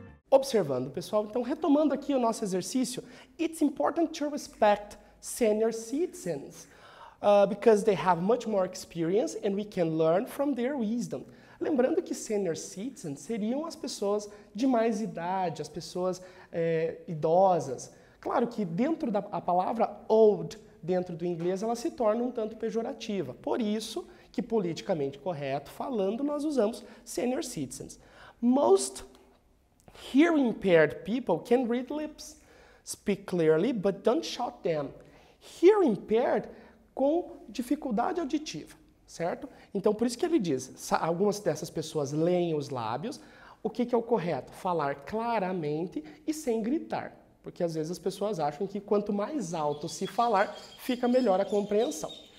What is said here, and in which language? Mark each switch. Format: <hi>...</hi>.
<pt>Observando, pessoal, então retomando aqui o nosso exercício,</pt> <en>it's important to respect senior citizens because they have much more experience and we can learn from their wisdom.</en> <pt>Lembrando que senior citizens seriam as pessoas de mais idade, as pessoas idosas. Claro que dentro da palavra old, dentro do inglês, ela se torna um tanto pejorativa. Por isso, que politicamente correto falando, nós usamos senior citizens.</pt> <en>Most hearing impaired people can read lips, speak clearly, but don't shout them.</en> <pt>Hearing impaired com dificuldade auditiva, certo? Então, por isso que ele diz, algumas dessas pessoas leem os lábios, o que é o correto? Falar claramente e sem gritar. Porque às vezes as pessoas acham que quanto mais alto se falar, fica melhor a compreensão.</pt>